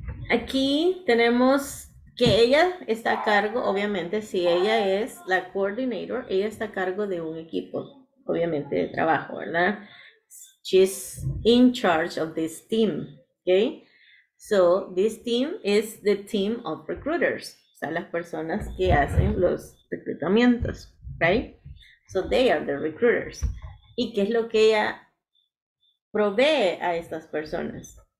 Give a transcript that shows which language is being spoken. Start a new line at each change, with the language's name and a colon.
Spanish: Aquí tenemos que ella está a cargo, obviamente, si ella es la coordinator, ella está a cargo de un equipo, obviamente, de trabajo, ¿verdad?
English: She's in charge of this team, okay? So, this team is the team of recruiters.
Spanish: O sea, las personas que hacen los reclutamientos, right?
English: So, they are the recruiters.
Spanish: ¿Y qué es lo que ella provee a estas personas?